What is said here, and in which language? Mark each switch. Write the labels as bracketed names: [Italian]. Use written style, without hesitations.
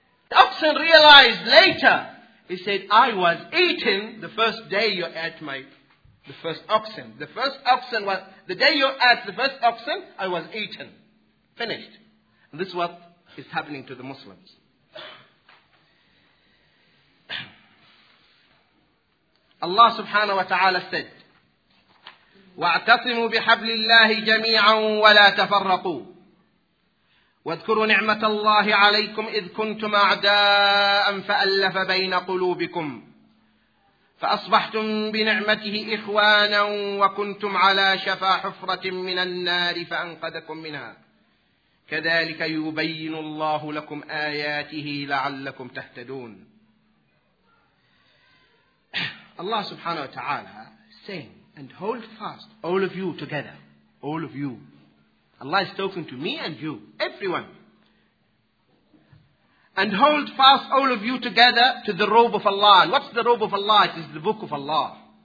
[English] The oxen realized later, he said, I was eaten the first day you ate the first oxen. The first oxen was, the day you ate the first oxen, I was eaten. Finished. And this is what is happening to the Muslims. Allah subhanahu wa ta'ala said, [Arabic] واعتصموا بحبل الله جميعا ولا تفرقوا واذكروا نعمة الله عليكم إذ كنتم أعداء فألف بين قلوبكم فأصبحتم بنعمته إخوانا وكنتم على شفا حفرة من النار فأنقذكم منها كذلك يبين الله لكم آياته لعلكم تهتدون. [English] الله سبحانه وتعالى saying, and hold fast, all of you together. All of you. Allah is talking to me and you. Everyone. And hold fast, all of you together, to the robe of Allah. And what's the robe of Allah? It is the book of Allah.